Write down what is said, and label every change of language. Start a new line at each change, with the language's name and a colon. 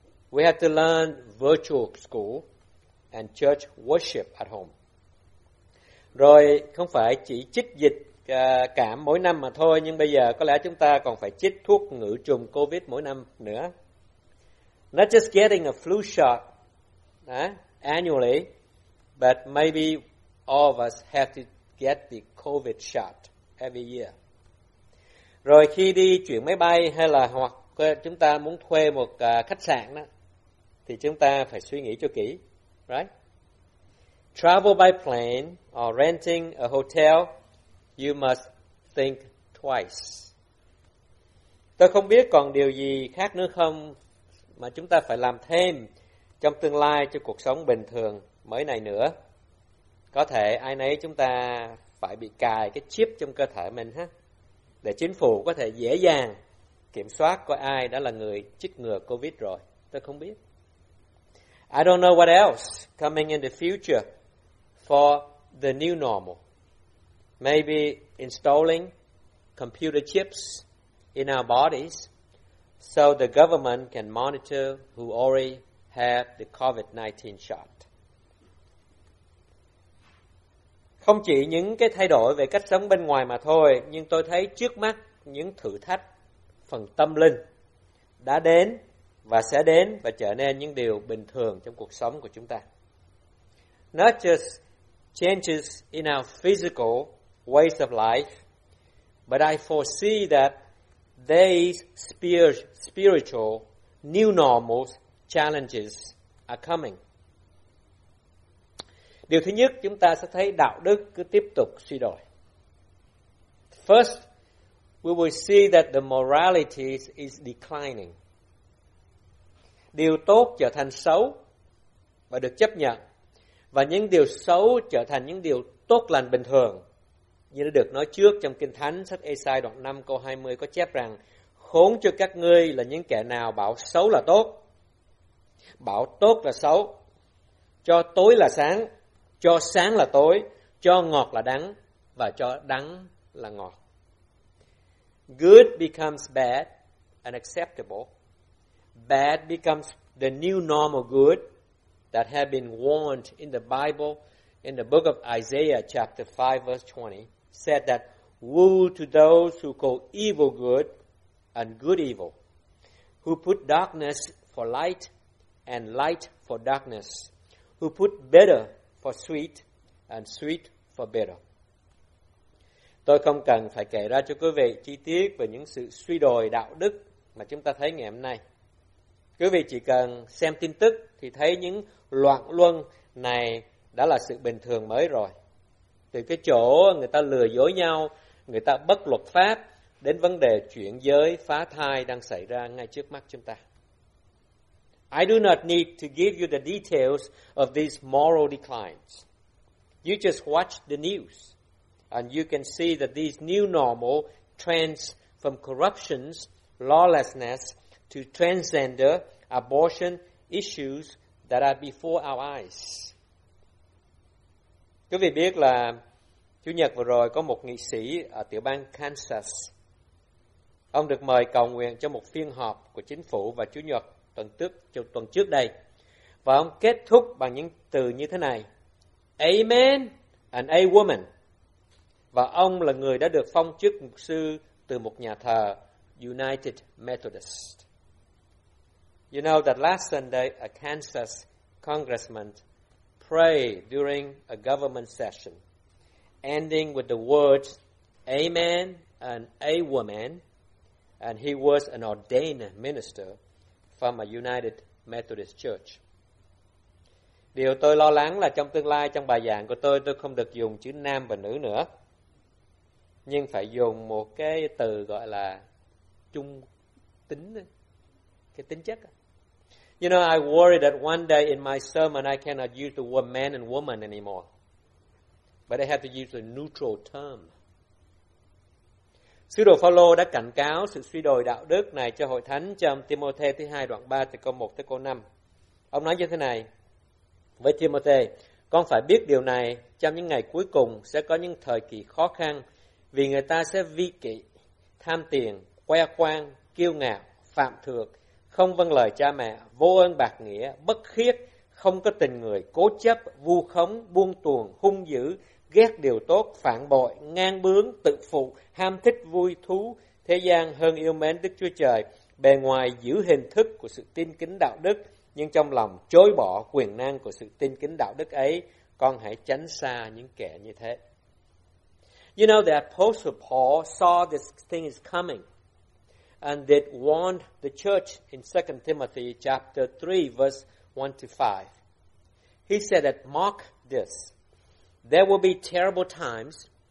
English: We have to learn virtual school and church worship at home.
Vietnamese: Rồi không phải chỉ chích dịch cảm mỗi năm mà thôi, nhưng bây giờ có lẽ chúng ta còn phải chích thuốc ngự trùng COVID mỗi năm nữa.
English: Not just getting a flu shot annually, but maybe all of us have to get the COVID shot every year.
Vietnamese: Rồi khi đi chuyển máy bay hay là hoặc chúng ta muốn thuê một khách sạn đó, thì chúng ta phải suy nghĩ cho kỹ,
English: right? Travel by plane or renting a hotel, you must think twice.
Vietnamese: Tôi không biết còn điều gì khác nữa không mà chúng ta phải làm thêm trong tương lai cho cuộc sống bình thường mới này nữa. Có thể ai nấy chúng ta phải bị cài cái chip trong cơ thể mình ha, để chính phủ có thể dễ dàng kiểm soát coi ai đã là người chích ngừa COVID rồi. Tôi không biết.
English: I don't know what else coming in the future for the new normal. Maybe installing computer chips in our bodies so the government can monitor who already have the COVID-19 shot.
Vietnamese: Không chỉ những cái thay đổi về cách sống bên ngoài mà thôi, nhưng tôi thấy trước mắt những thử thách phần tâm linh đã đến và sẽ đến và trở nên những điều bình thường trong cuộc sống của chúng ta.
English: Not just changes in our physical ways of life, but I foresee that these spiritual new normals challenges are coming.
Vietnamese: Điều thứ nhất, chúng ta sẽ thấy đạo đức cứ tiếp tục suy đồi.
English: First, we will see that the morality is declining.
Vietnamese: Điều tốt trở thành xấu và được chấp nhận, và những điều xấu trở thành những điều tốt lành bình thường. Như đã được nói trước trong Kinh Thánh, sách Ê-sai đoạn 5 câu 20 có chép rằng: khốn cho các ngươi là những kẻ nào bảo xấu là tốt, bảo tốt là xấu, cho tối là sáng, cho sáng là tối, cho ngọt là đắng, và cho đắng là ngọt.
English: Good becomes bad and acceptable. Bad becomes the new normal good that have been warned in the Bible, in the book of Isaiah chapter 5 verse 20, said that woe to those who call evil good and good evil, who put darkness for light and light for darkness, who put bitter for sweet and sweet for bitter.
Vietnamese: Tôi không cần phải kể ra cho quý vị chi tiết về những sự suy đồi đạo đức mà chúng ta thấy ngày hôm nay. Quý vị chỉ cần xem tin tức thì thấy những loạn luân này đã là sự bình thường mới rồi. Từ cái chỗ người ta lừa dối nhau, người ta bất luật pháp, đến vấn đề chuyển giới phá thai đang xảy ra ngay trước mắt chúng ta.
English: I do not need to give you the details of these moral declines. You just watch the news and you can see that these new normal trends from corruptions, lawlessness, to transgender abortion issues that are before our eyes.
Vietnamese: Quý vị biết là Chủ nhật vừa rồi có một nghị sĩ ở tiểu bang Kansas. Ông được mời cầu nguyện cho một phiên họp của chính phủ vào Chủ nhật tuần trước đây. Và ông kết thúc bằng những từ như thế này:
English: Amen and a woman.
Vietnamese: Và ông là người đã được phong chức mục sư từ một nhà thờ United Methodist.
English: You know that last Sunday a Kansas congressman prayed during a government session ending with the words a man and a woman, and he was an ordained minister from a United Methodist Church.
Vietnamese: Điều tôi lo lắng là trong tương lai trong bài giảng của tôi không được dùng chữ nam và nữ nữa, nhưng phải dùng một cái từ gọi là trung tính, cái tính chất.
English: You know, I worry that one day in my sermon I cannot use the word man and woman anymore, but I have to use a neutral term.
Vietnamese: Sứ đồ Phaolô đã cảnh cáo sự suy đồi đạo đức này cho hội thánh trong Timôthê thứ 2 đoạn 3 từ câu 1 tới câu 5. Ông nói như thế này với Timôthê: con phải biết điều này, trong những ngày cuối cùng sẽ có những thời kỳ khó khăn, vì người ta sẽ vi kỵ, tham tiền, khoe khoang, kiêu ngạo, phạm thượng, không vâng lời cha mẹ, vô ơn bạc nghĩa, bất khiết, không có tình người, cố chấp, vu khống, buông tuồng, hung dữ, ghét điều tốt, phản bội, ngang bướng, tự phụ, ham thích vui thú thế gian hơn yêu mến Đức Chúa Trời, bề ngoài giữ hình thức của sự tin kính đạo đức, nhưng trong lòng chối bỏ quyền năng của sự tin kính đạo đức ấy. Con hãy tránh xa những kẻ như thế.
English: You know, the Apostle Paul saw this thing is coming and did warn the church in 2 Timothy chapter 3, verse 1 to 5. He said that, mark this, there will be terrible times.